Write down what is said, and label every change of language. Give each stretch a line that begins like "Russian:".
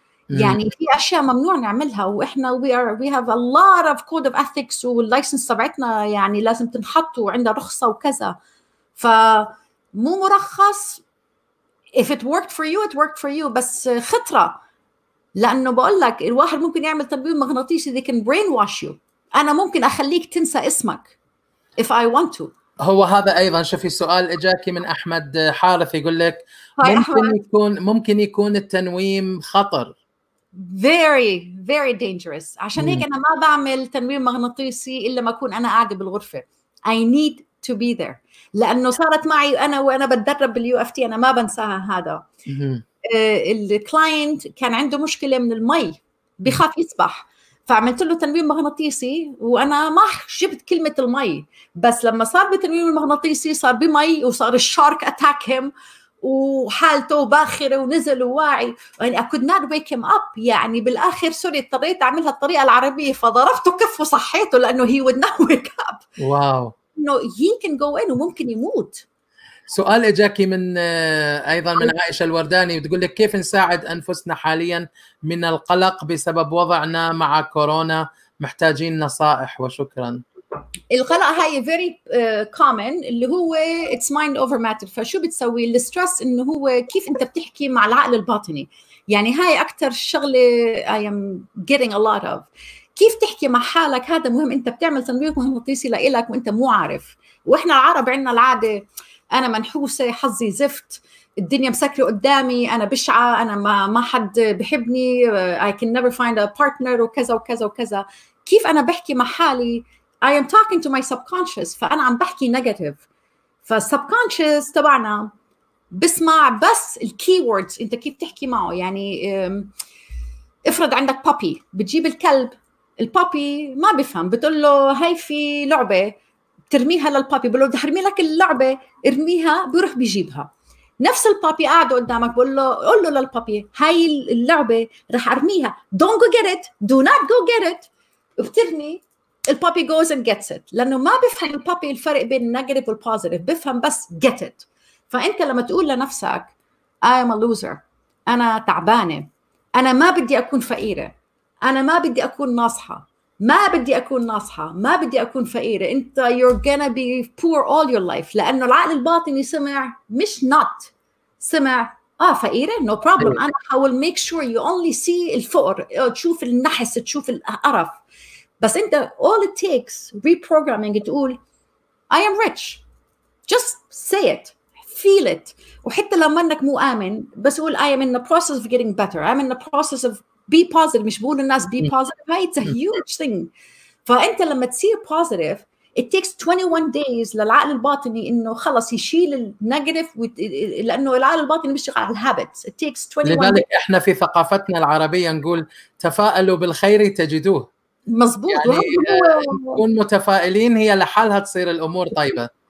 Arabic: يعني في اشياء ممنوع نعملها واحنا
English: we have a lot of code of ethics
Arabic: واللايسنس تبعتنا يعني لازم تنحط وعندها رخصه وكذا. فمو مرخص
English: if it worked for you
Arabic: it worked for you بس خطره لانه بقول لك الواحد ممكن يعمل تنويم مغناطيسي
English: they can brainwash you.
Arabic: انا ممكن اخليك تنسى اسمك
English: if I want to.
Arabic: هو هذا ايضا شوفي سؤال اجاكي من احمد حارث يقول لك ممكن يكون التنويم خطر.
English: Very, very dangerous.
Arabic: عشان هيك أنا ما بعمل تنويم مغناطيسي إلا ما أكون أنا قاعدة بالغرفة.
English: I need to be there.
Arabic: لأنه صارت معي أنا وأنا بتدرب بالـ UFT أنا ما بنساها هذا. الكلاينت كان عنده مشكلة من المي. بيخاف يسبح. فعملت له تنويم مغناطيسي وأنا ما جبت كلمة المي. بس لما صار بتنويم المغناطيسي صار بمي وصار الشارك أتاك هم. وحالته وباخرة ونزل وواعي يعني
English: I could not wake him up.
Arabic: يعني بالآخر سوري اضطريت أعملها الطريقة العربية فضربته كف وصحيته لأنه
English: he would not wake up. Wow no, he can go in
Arabic: وممكن يموت. سؤال إجاكي من أيضا من عائشة الورداني بتقول لك كيف نساعد أنفسنا حاليا من القلق بسبب وضعنا مع كورونا محتاجين نصائح وشكرا. القلق هاي
English: very common
Arabic: اللي هو
English: it's mind over matter.
Arabic: فشو بتسوي الستريس انه هو كيف انت بتحكي مع العقل الباطني. يعني هاي اكتر شغلة
English: I am getting a lot of
Arabic: كيف تحكي مع حالك هذا مهم. انت بتعمل تنويم مغناطيسي لإلك وانت مو عارف. واحنا العرب عندنا العادة انا منحوسة حظي زفت الدنيا مسكرة قدامي انا بشعة انا ما حد بحبني
English: I can never find a partner
Arabic: وكذا وكذا وكذا. كيف انا بحكي مع حالي
English: I am talking to my subconscious.
Arabic: فأنا عم بحكي negative. فالsubconscious تبعنا بسمع بس الكيوردز. انت كيف تحكي معه. يعني افرض عندك puppy بتجيب الكلب. البابي ما بفهم بتقول له هاي في لعبة ترميها للبابي. بقول له بدي ارمي لك اللعبة ارميها بيروح بيجيبها. نفس البابي قاعد قدامك بقول له قول له للبابي هاي اللعبة رح ارميها.
English: Don't go get it. Do not go get it.
Arabic: بترمي البابي
English: goes and gets it.
Arabic: لأنه ما بفهم البابي الفرق بين negative والpositive. بفهم بس
English: get it.
Arabic: فأنت لما تقول لنفسك
English: I am a loser.
Arabic: أنا تعبانة. أنا ما بدي أكون فقيرة. أنا ما بدي أكون ناصحة. ما بدي أكون ناصحة. ما بدي أكون فقيرة. أنت
English: you're gonna be poor all your life.
Arabic: لأنه العقل الباطني سمع مش not. سمع فقيرة
English: no problem. أنا I will make sure you only see الفقر.
Arabic: تشوف النحس. تشوف القرف. بس انت
English: all it takes reprogramming
Arabic: تقول
English: I am rich just say it feel it.
Arabic: وحتى لو منك مو آمن بس قول
English: I am in the process of getting better I am in the process of be positive.
Arabic: مش بقول الناس
English: be positive it's a huge thing.
Arabic: فانت لما تصير positive
English: it takes 21 days
Arabic: للعقل الباطني انه خلص يشيل النيجاتيف لانه العقل الباطني بيشتغل على الهابتس.
English: it takes 21
Arabic: لذلك days. احنا في ثقافتنا العربية نقول تفائلوا بالخير تجدوه. مظبوط يعني نكون متفائلين هي لحالها تصير الأمور طيبة